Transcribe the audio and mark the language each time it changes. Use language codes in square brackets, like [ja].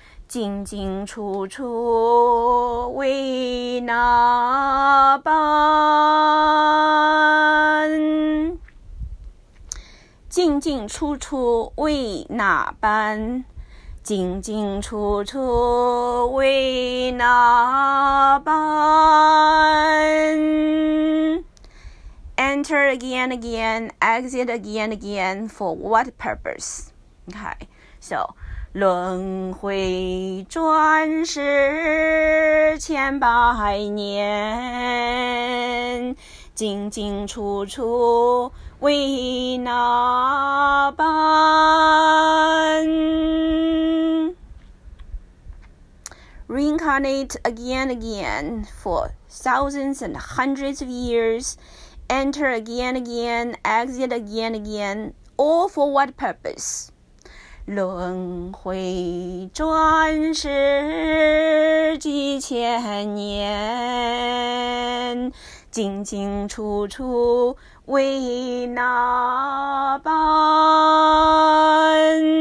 [zh] 进进出出为那般，进进出出为那般，进进出出为那般。 [en] Enter again, again, exit again, again, for what purpose? [zh] Okay, so, 轮回转世千百年，进进出出为那般。 [en] Reincarnate again, again, for thousands and hundreds of years,Enter again, again, exit again, again, all for what purpose? [zh] 轮回转世几千年，进进出出为那般。